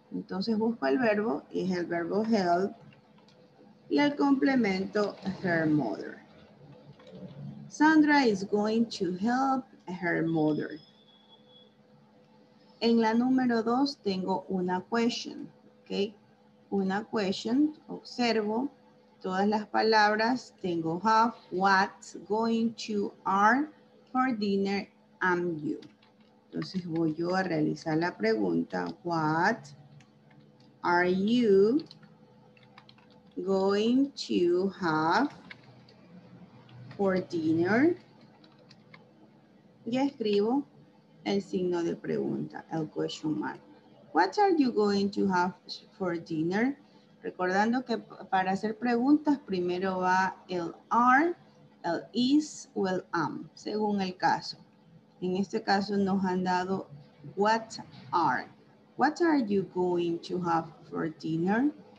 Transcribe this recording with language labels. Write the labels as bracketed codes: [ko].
[es] Entonces busco el verbo, es el verbo help. Y el complemento, [en] her mother. Sandra is going to help her mother. [es] En la número dos tengo una question, ¿ok? Una question, observo todas las palabras. Tengo [en] have, what, going to, are, for dinner, am you. [es] Entonces voy yo a realizar la pregunta. [en] What are you going to have for dinner? [es] Y escribo el signo de pregunta, el question mark. [en] What are you going to have for dinner? [es] Recordando que para hacer preguntas primero va el are, el is o el am, según el caso. En este caso nos han dado [en] what are. What are you going to have for dinner?